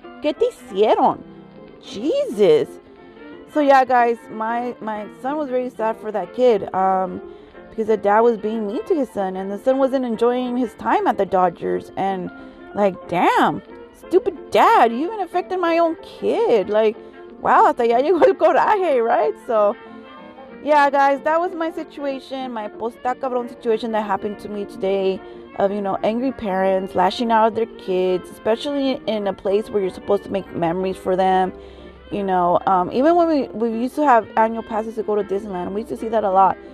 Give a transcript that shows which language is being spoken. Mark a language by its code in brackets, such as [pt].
[es] ¿Qué te hicieron? [en] Jesus. So, yeah, guys, my son was very sad for that kid because the dad was being mean to his son, and the son wasn't enjoying his time at the Dodgers. And, like, damn, stupid dad, you even affected my own kid. Like, wow, [es] hasta ya llegó el coraje, [en] right? So, yeah, guys, that was my situation, my [es] posta cabrón [en] situation that happened to me today of, you know, angry parents lashing out at their kids, especially in a place where you're supposed to make memories for them. You know, even when we used to have annual passes to go to Disneyland, we used to see that a lot.